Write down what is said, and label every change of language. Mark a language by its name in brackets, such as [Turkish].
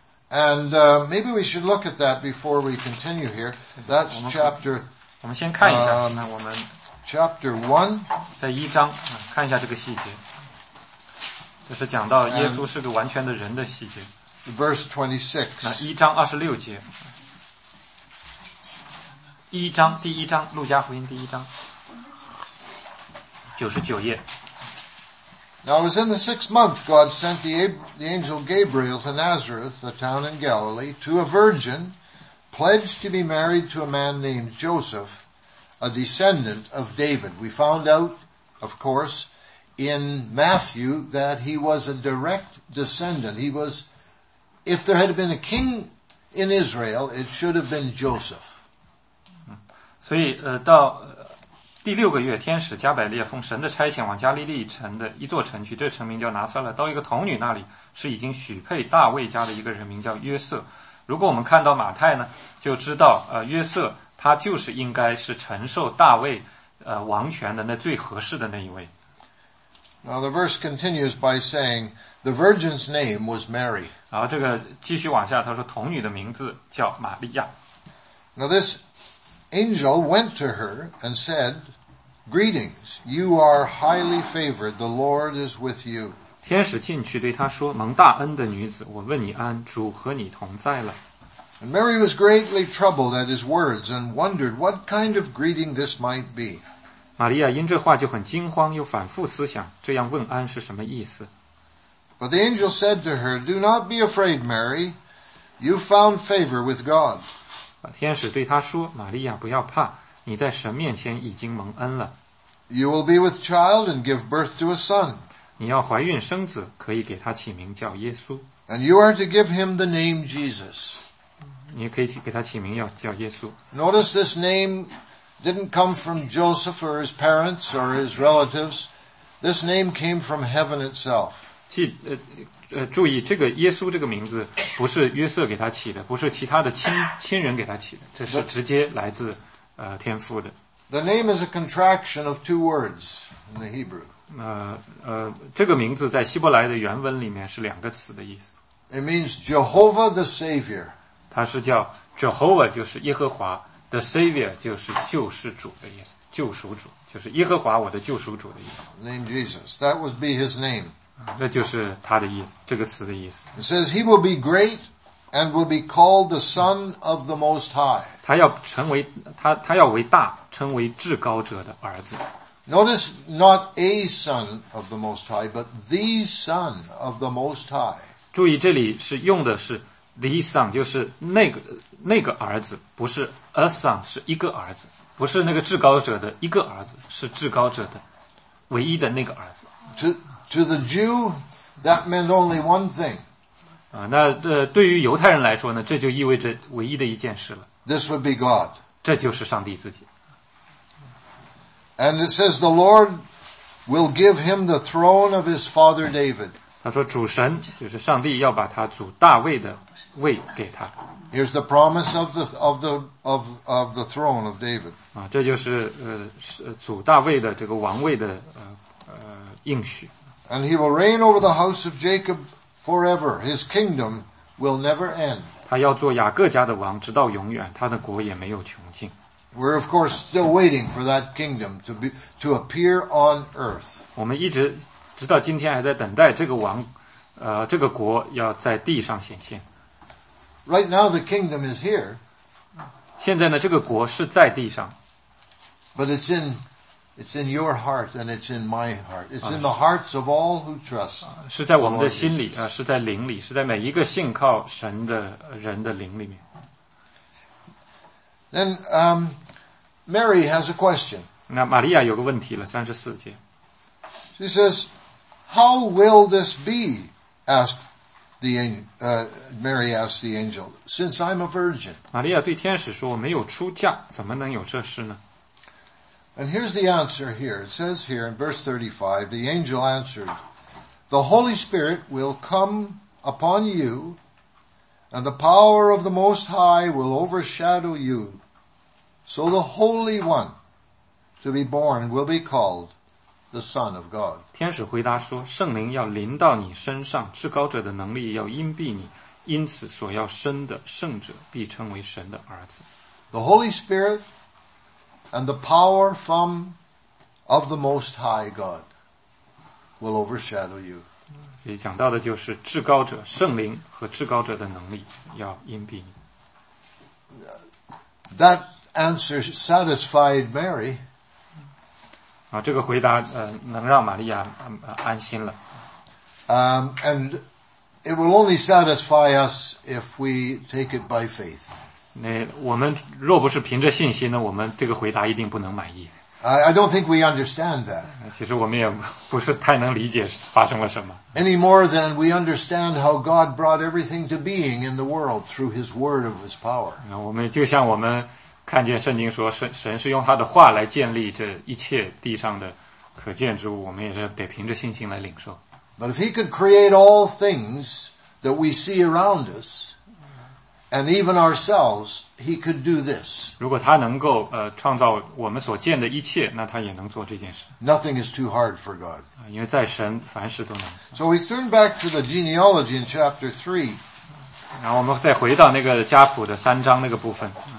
[English] And, maybe we should look at that before we continue here. That's chapter, [Chinese] 我们先看一下我们 [English] chapter 1. [Chinese] 在一章看一下这个细节。这是讲到耶稣是个完全的人的细节。 [English] Verse 26. [Chinese] 一章二十六节。第一章，第一章，路加福音第一章，九十九页。 [English] Now it was in the sixth month, God sent the angel Gabriel to Nazareth, a town in Galilee, to a virgin pledged to be married to a man named Joseph, a descendant of David. We found out, of course, in Matthew that he was a direct descendant. He was, if there had been a king in Israel, it should have been Joseph. [Chinese] 所以到第六个月天使加百列奉神的差遣往加利利城的一座城去这城名叫拿撒勒到一个童女那里是已经许配大卫家的一个人名叫约瑟。如果我们看到马太呢就知道约瑟他就是应该是承受大卫王权的那最合适的那一位。 [English] Now the verse continues by saying, the virgin's name was Mary. [Chinese] 然后这个继续往下他说童女的名字叫玛利亚。 [English] Now this,Angel went to her and said, Greetings, you are highly favored, the Lord is with you. [Chinese] 天使进去对她说蒙大恩的女子我问你安主和你同在了。 [English] And Mary was greatly troubled at his words and wondered what kind of greeting this might be. [Chinese] 玛利亚因这话就很惊慌又反复思想这样问安是什么意思。 [English] But the angel said to her, Do not be afraid, Mary, you found favor with God. [Chinese] 天使对他说玛利亚不要怕你在神面前已经蒙恩了。 [English] You will be with child and give birth to a son. [Chinese] 你要怀孕生子可以给他起名叫耶稣。 [English] And you are to give him the name Jesus. [Chinese] 你可以给他起名叫耶稣。 [English] Notice this name didn't come from Joseph or his parents or his relatives. This name came from heaven itself. [Chinese] 注意这个耶稣这个名字不是约瑟给他起的不是其他的亲人给他起的这是直接来自天父的。 [English] The name is a contraction of two words in the Hebrew. [Chinese] 这个名字在希伯来的原文里面是两个词的意思。 [English] It means Jehovah the Savior. [Chinese] 它是叫 Jehovah 就是耶和华 ,the Savior 就是救世主的意思救赎主就是耶和华我的救赎主的意思。 [English] Name Jesus, that would be his name. [Chinese] 那就是他的意思，这个词的意思。 [English] It says he will be great and will be called the Son of the Most High. [Chinese] 他要成为他要为大，称为至高者的儿子。 [English] Notice not a Son of the Most High, but the Son of the Most High. [Chinese] 注意这里是用的是the son 就是那个儿子，不是 a son， 是一个儿子，不是那个至高者的一个儿子，是至高者的唯一的那个儿子。 [English] To the Jew, that meant only one thing. [Chinese] 那对于犹太人来说呢，这就意味着唯一的一件事了。 [English] This would be God. [Chinese] 这就是上帝自己。 [English] And it says the Lord will give him the throne of his father David. [Chinese] 他说主神就是上帝要把他祖大卫的位给他。 [English] Here's the promise of the throne of David. [Chinese] 这就是祖大卫的这个王位的应许。 [English] And he will reign over the house of Jacob forever. His kingdom will never end. [Chinese] 他要做雅各家的王，直到永远，他的国也没有穷尽。 [English] We're of course still waiting for that kingdom to appear on earth. [Chinese] 我们一直直到今天还在等待这个王，这个国要在地上显现。 [English] Right now the kingdom is here. [Chinese] 现在呢，这个国是在地上。 [English] But it's in your heart and it's in my heart. It's in the hearts of all who trust. [Chinese] 是在我们的心里，是在灵里，是在每一个信靠神的人的灵里面。 [English] Then Mary has a question. [Chinese] 那玛利亚有个问题了34节。 [English] She says, "How will this be?" asked the Mary asked the angel, "Since I'm a virgin." [Chinese] 玛利亚对天使说，我没有出嫁，怎么能有这事呢？ [English] And here's the answer here. It says here in verse 35, the angel answered, "The Holy Spirit will come upon you, and the power of the Most High will overshadow you." So the Holy One to be born will be called the Son of God. [Chinese] 天使回答说，圣灵要临到你身上，至高者的能力要荫蔽你，因此所要生的圣者必称为神的儿子。 [English] The Holy Spirit and the power from of the Most High God will overshadow you. [Chinese] 所以讲到的就是至高者圣灵和至高者的能力要荫蔽你。 [English] That answer satisfied Mary. [Chinese] 这个回答能让玛利亚安心了。 [English] And it will only satisfy us if we take it by faith. [Chinese] 那我们若不是凭着信心呢，我们这个回答一定不能满意。 [English] I don't think we understand that. [Chinese] 其实我们也不是太能理解发生了什么。 [English] Any more than we understand how God brought everything to being in the world through His Word of His power. [Chinese] 我们就像我们看见圣经说神是用他的话来建立这一切地上的可见之物，我们也是得凭着信心来领受。 [English] But if he could create all things that we see around us, and even ourselves, he could do this. [Chinese] 如果他能够创造我们所见的一切，那他也能做这件事。 [English] Nothing is too hard for God. [Chinese] 因为在神凡事都能。 [English] So we turn back to the genealogy in chapter 3. [Chinese] 然后我们再回到那个家谱的三章那个部分。